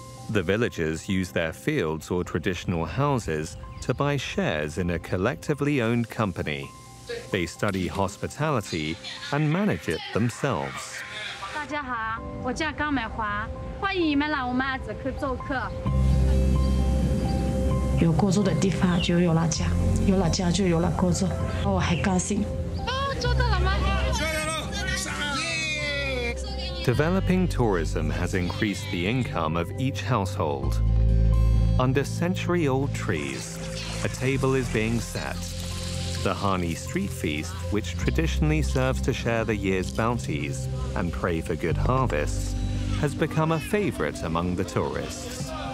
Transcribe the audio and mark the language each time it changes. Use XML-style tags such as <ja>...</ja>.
<en>The villagers use their fields or traditional houses to buy shares in a collectively owned company. They study hospitality and manage it themselves.</en> <zh>大家好，我叫高美华，欢迎你们来我们阿哲克做客。有工作的地方就有了家，有了家就有了工作，我很高兴。哦，做到了吗？加油了！上！耶！</zh> <en>Developing tourism has increased the income of each household. Under century-old trees, a table is being set. The Hani street feast, which traditionally serves to share the year's bounties and pray for good harvests, has become a favorite among the tourists.</en>